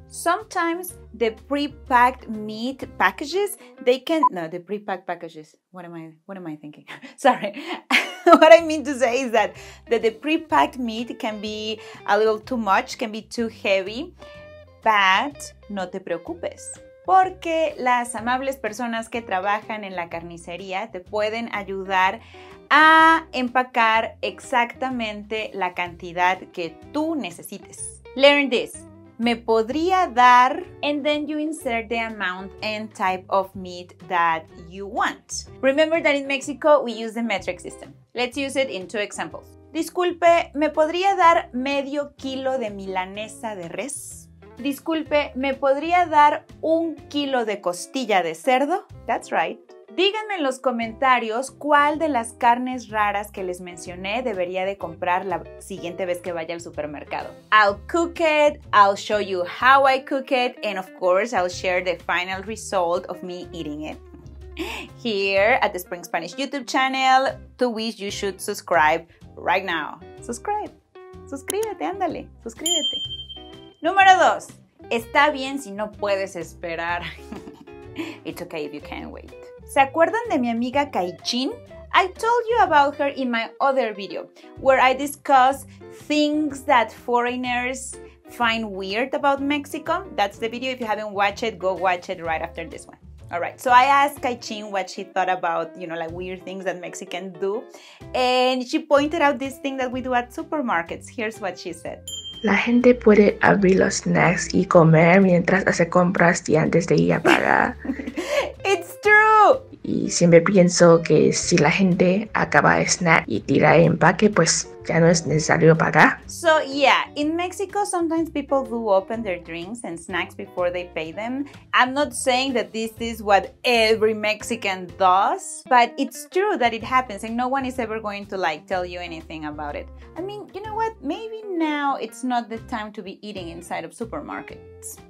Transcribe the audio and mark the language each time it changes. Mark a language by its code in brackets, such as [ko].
[en] Sometimes the pre-packed meat packages, they can... No, the pre-packed packages. What am I thinking? Sorry. What I mean to say is that the pre-packed meat can be a little too much, can be too heavy. [es] But no te preocupes. Porque las amables personas que trabajan en la carnicería te pueden ayudar a empacar exactamente la cantidad que tú necesites. [en] Learn this. [es] Me podría dar... [en] And then you insert the amount and type of meat that you want. Remember that in Mexico we use the metric system. Let's use it in two examples. [es] Disculpe, ¿me podría dar medio kilo de milanesa de res? Disculpe, ¿me podría dar un kilo de costilla de cerdo? [en] That's right. [es] Díganme en los comentarios cuál de las carnes raras que les mencioné debería de comprar la siguiente vez que vaya al supermercado. [en] I'll cook it, I'll show you how I cook it, and of course I'll share the final result of me eating it. Here at the Spring Spanish YouTube channel, to which you should subscribe right now. [es] Subscribe. Suscríbete, ándale. Suscríbete. Número 2. Está bien si no puedes esperar. [en] It's okay if you can't wait. [es] ¿Se acuerdan de mi amiga Kaichin? [en] I told you about her in my other video, where I discuss things that foreigners find weird about Mexico. That's the video. If you haven't watched it, go watch it right after this one. All right, so I asked Kaichin what she thought about, you know, like weird things that Mexicans do. And she pointed out this thing that we do at supermarkets. Here's what she said. [es] La gente puede abrir los snacks y comer mientras hace compras y antes de ir a pagar. [en] It's true. [es] Y siempre pienso que si la gente acaba el snack y tira el empaque, pues ya no es necesario pagar. [en] So yeah, in Mexico sometimes people do open their drinks and snacks before they pay them. I'm not saying that this is what every Mexican does, but it's true that it happens and no one is ever going to like tell you anything about it. I mean, you know what? Maybe now it's not the time to be eating inside of supermarkets.